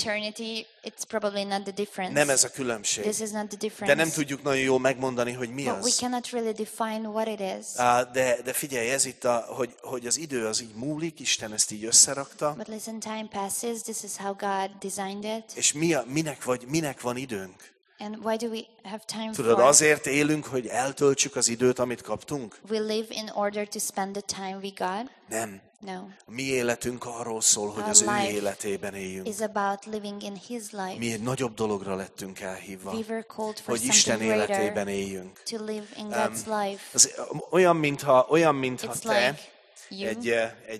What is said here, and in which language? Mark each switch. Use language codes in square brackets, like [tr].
[en] Time and eternity, it's probably not the difference. [hu] Nem ez a különbség. [en] This is not the difference. [hu] De nem tudjuk nagyon jól megmondani, hogy mi [en] but [hu] az. [en] We cannot really define what it is. [hu] De figyelj, ez itt, hogy az idő az így múlik, Isten ezt így összerakta. [en] But listen, time passes, this is how God designed it. [hu] És minek van időnk? [en] And why do we have time [hu] tudod, [en] for? [hu] Tudod, azért élünk, hogy eltöltsük az időt, amit kaptunk? [en] We live in order to spend the time we got? [hu] Nem. [en] No. [hu] Mi életünk arról szól, hogy [en] our [hu] az ő életében éljünk. [en] Is about living in his life. [hu] Mi egy nagyobb dologra lettünk elhívva. [en] We were called for [hu] hogy Isten életében éljünk. [en] To live in God's life. [hu] Az, olyan mintha [en] it's [hu] te [en] like